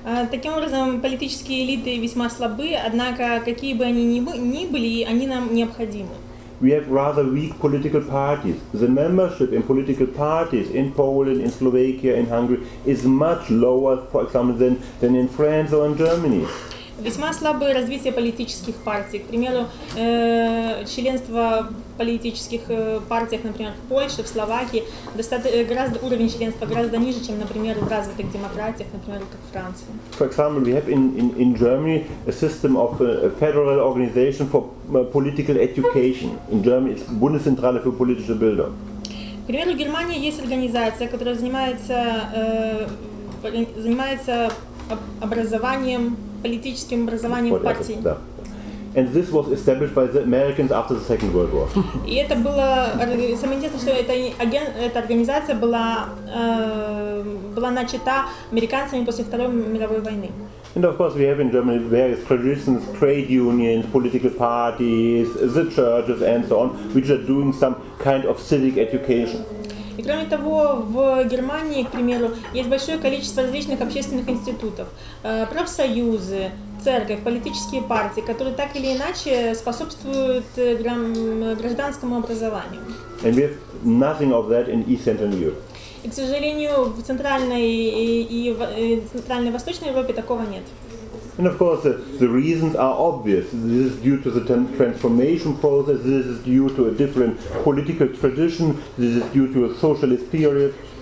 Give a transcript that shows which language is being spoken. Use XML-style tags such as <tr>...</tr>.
<ru>Таким образом, политические элиты весьма слабы, однако, какие бы они ни были, они нам необходимы.</ru> <en>We have rather weak political parties. The membership in political parties in Poland, in Slovakia, in Hungary is much lower, for example, than in France or in Germany.</en> <ru>Весьма слабое развитие политических партий. К примеру, членство в политических партиях, например, в Польше, в Словакии, гораздо уровень членства гораздо ниже, чем, например, в развитых демократиях, например, как Франция.</ru> <en>For example, we have in Germany a system of a federal organization for political education. In Germany it's Bundeszentrale für politische Bildung.</en> <ru>К примеру, в Германии есть организация, которая занимается образованием, политическим образованием партии. Да.</ru> <en>And this was established by the Americans after the Second World War.</en> <ru>И это было самое интересное, что эта организация была начата американцами после Второй мировой войны.</ru> <en>And of course, we have in Germany various traditions, trade unions, political parties, the churches, and so on, which are doing some kind of civic education.</en> <ru>И кроме того, в Германии, к примеру, есть большое количество различных общественных институтов, профсоюзы, церковь, политические партии, которые так или иначе способствуют гражданскому образованию.</ru> <en>And we have nothing of that in East Central Europe.</en> <ru>И, к сожалению, в Центральной и Восточной Европе такого нет.</ru> <en>And of course, the reasons are obvious. This is due to the transformation process, this is due to a different political tradition, this is due to a socialist period.</en>